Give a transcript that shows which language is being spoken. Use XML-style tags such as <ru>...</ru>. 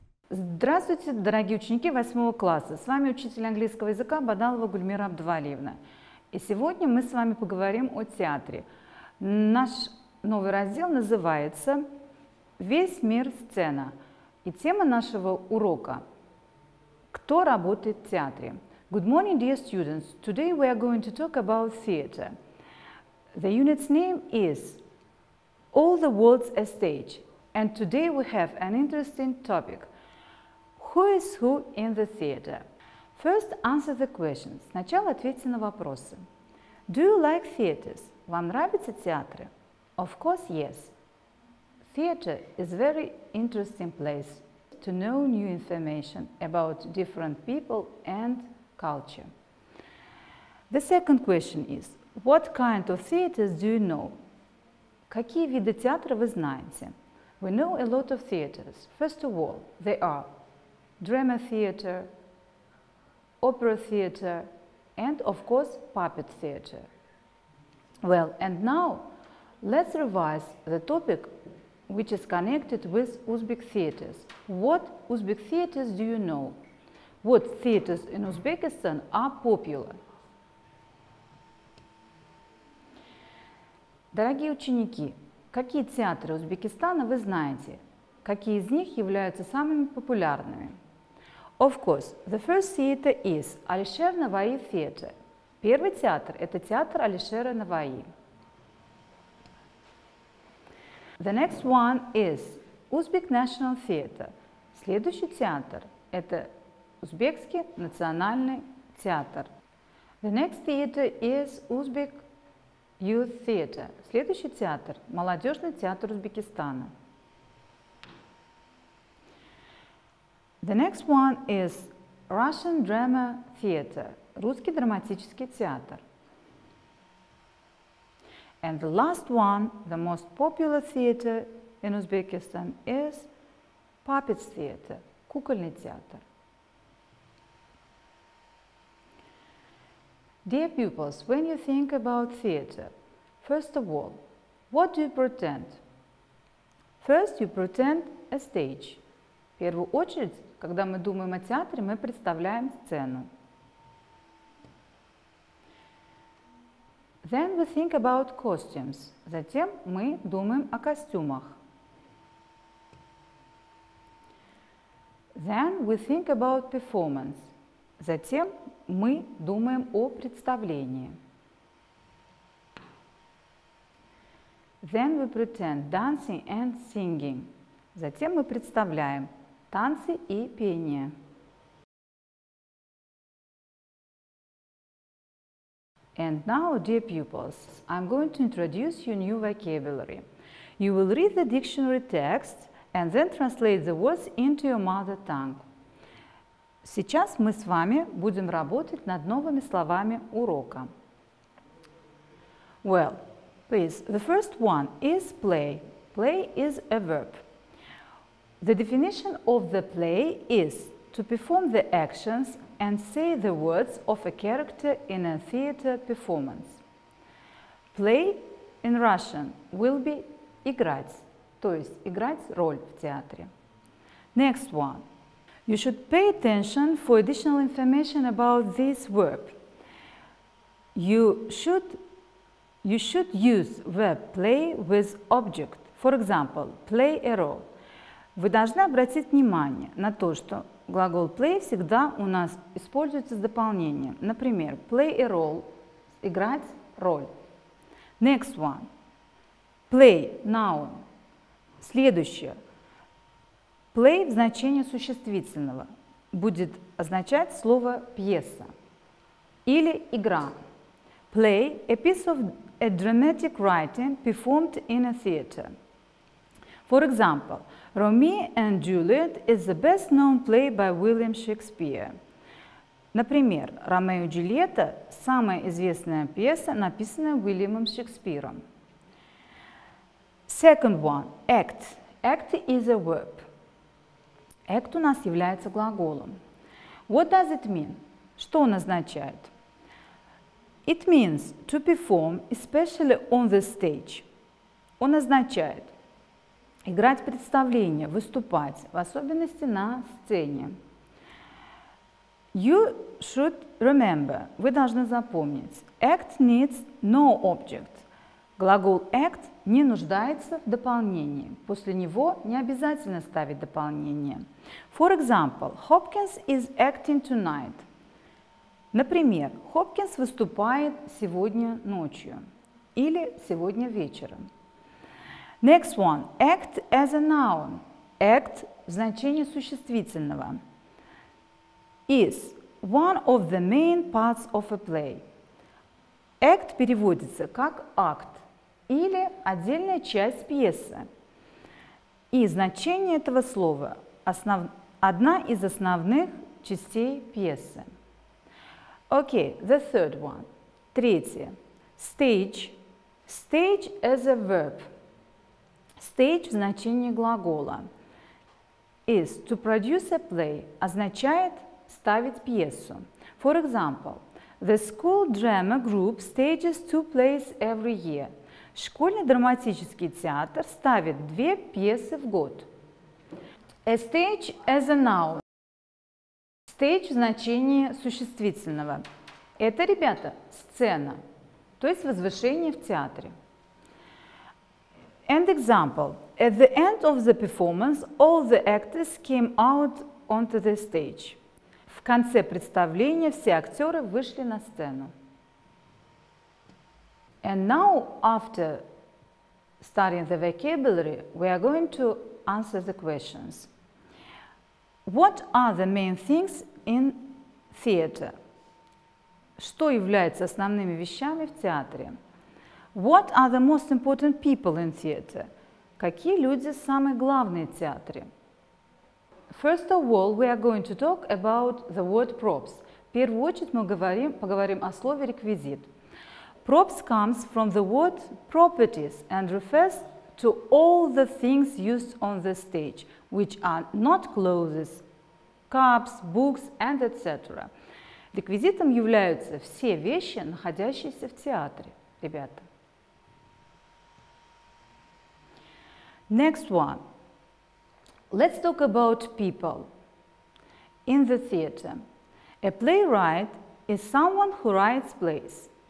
<ru>Здравствуйте, дорогие ученики 8 класса. С вами учитель английского языка Бадалова Гульмира Абдувалиевна. И сегодня мы с вами поговорим о театре. Наш новый раздел называется «Весь мир – сцена». И тема нашего урока – «Кто работает в театре?»</ru> <en>Good morning, dear students. Today we are going to talk about theater. The unit's name is All the World's a Stage. And today we have an interesting topic. Who is who in the theater? First, answer the questions.</en> <ru>Сначала ответьте на вопросы.</ru> <en>Do you like theaters?</en> <ru>Вам нравятся театры?</ru> <en>Of course, yes. Theater is a very interesting place to know new information about different people and culture. The second question is, what kind of theaters do you know?</en> <ru>Какие виды театра вы знаете?</ru> <en>We know a lot of theaters. First of all, they are drama theater, opera theater, and of course, puppet theater. Well, and now let's revise the topic which is connected with Uzbek theaters. What Uzbek theaters do you know? What theaters in Uzbekistan are popular?</en> <ru>Дорогие ученики, какие театры Узбекистана вы знаете? Какие из них являются самыми популярными?</ru> <en>Of course, the first theater is Alisher Navai Theatre.</en> <ru>Первый театр – это театр Алишера Наваи.</ru> <en>The next one is Uzbek National Theatre.</en> <ru>Следующий театр – это Узбекский национальный театр.</ru> <en>The next theater is Uzbek Youth Theatre.</en> <ru>Следующий театр – молодежный театр Узбекистана.</ru> <en>The next one is Russian Drama Theater,</en> <ru>русский драматический театр.</ru> <en>And the last one, the most popular theater in Uzbekistan is Puppets Theater,</en> <ru>кукольный театр.</ru> <en>Dear pupils, when you think about theater, first of all, what do you pretend? First, you pretend a stage.</en> <ru>В первую очередь, когда мы думаем о театре, мы представляем сцену.</ru> <en>Then we think about costumes.</en> <ru>Затем мы думаем о костюмах.</ru> <en>Then we think about performance.</en> <ru>Затем мы думаем о представлении.</ru> <en>Then we pretend dancing and singing.</en> <ru>Затем мы представляем танцы и пение.</ru> <en>And now, dear pupils, I'm going to introduce you new vocabulary. You will read the dictionary text and then translate the words into your mother tongue.</en> <ru>Сейчас мы с вами будем работать над новыми словами урока.</ru> <en>Well, please, the first one is play. Play is a verb. The definition of the play is to perform the actions and say the words of a character in a theater performance. Play in Russian will be играть,</en> <ru>то есть играть роль в театре.</ru> <en>Next one. You should pay attention for additional information about this verb. You should use verb play with object. For example, play a role.</en> <ru>Вы должны обратить внимание на то, что глагол play всегда у нас используется с дополнением. Например,</ru> <en>play a role</en> <ru>– играть роль.</ru> <en>Next one. Play – noun.</en> <ru>Следующее. Play в значении существительного будет означать слово пьеса или игра.</ru> <en>Play – a piece of a dramatic writing performed in a theater. For example, Romeo and Juliet is the best known play by William Shakespeare.</en> <ru>Например, Ромео и Джульетта – самая известная пьеса, написанная Уильямом Шекспиром.</ru> <en>Second one – act. Act is a verb.</en> <ru>Act у нас является глаголом.</ru> <en>What does it mean?</en> <ru>Что он означает?</ru> <en>It means to perform, especially on the stage.</en> <ru>Он означает играть представления, выступать, в особенности на сцене.</ru> <en>You should remember,</en> <ru>вы должны запомнить,</ru> <en>act needs no object.</en> <ru>Глагол act не нуждается в дополнении, после него не обязательно ставить дополнение.</ru> <en>For example, Hopkins is acting tonight.</en> <ru>Например, Хопкинс выступает сегодня ночью или сегодня вечером.</ru> <en>Next one. Act as a noun.</en> <ru>Act в значении существительного. Is one of the main parts of a play. Act переводится как акт или отдельная часть пьесы. И значение этого слова одна из основных частей пьесы.</ru> <en>Okay, the third one.</en> <ru>Третье.</ru> <en>Stage. Stage as a verb. Stage</en> <ru>в значении глагола.</ru> <en>Is to produce a play</en> <ru>означает ставить пьесу.</ru> <en>For example, the school drama group stages two plays every year.</en> <ru>Школьный драматический театр ставит две пьесы в год.</ru> <en>A stage as a noun.</en> <ru>Stage в значении существительного. Это, ребята, сцена, то есть возвышение в театре.</ru> <en>And example. At the end of the performance, all the actors came out onto the stage.</en> <ru>В конце представления все актеры вышли на сцену.</ru> <en>And now, after studying the vocabulary, we are going to answer the questions. What are the main things in theater?</en> <ru>Что является основными вещами в театре?</ru> <en>What are the most important people in theater?</en> <ru>Какие люди самые главные в театре?</ru> <en>First of all, we are going to talk about the word props.</en> <ru>В первую очередь мы поговорим о слове реквизит.</ru> <en>Props comes from the word properties and refers to all the things used on the stage, which are not clothes, cups, books and etc.</en> <ru>Реквизитом являются все вещи, находящиеся в театре, ребята.</ru> <en>Next one. Let's talk about people in the theater. A playwright is someone who writes plays.</en>